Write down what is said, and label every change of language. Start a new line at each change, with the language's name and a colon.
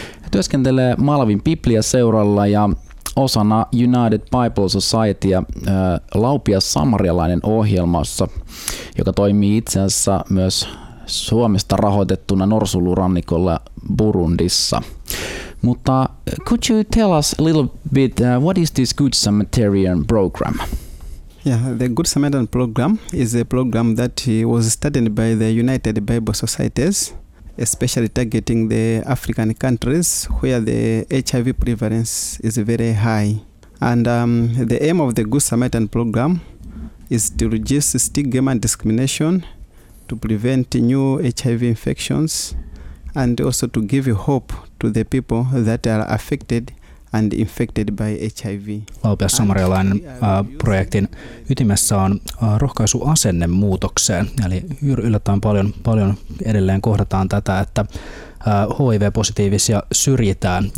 Finnish: Työskentelee Malawin Biblia-seuralla ja osana United Bible Society ja Laupia samarialainen ohjelmassa, joka toimii itse asiassa myös Suomesta rahoitettuna norsulurannikolla Burundissa.
English: Mutta could you tell us a little bit what is this Good Samaritan program? Yeah, the Good Samaritan program is a program that was started by the United Bible Societies, especially targeting the African countries where the HIV prevalence is very high. And the aim of the Good Samaritan program is to reduce stigma and discrimination, to prevent new HIV infections, and also to give hope to the people that are affected and infected by HIV.
Finnish: Laupias samarialainen projektin ytimessä on rohkaisu asennemuutokseen. Eli yllättäen paljon edelleen kohdataan tätä, että HIV-positiivisia syrjitään.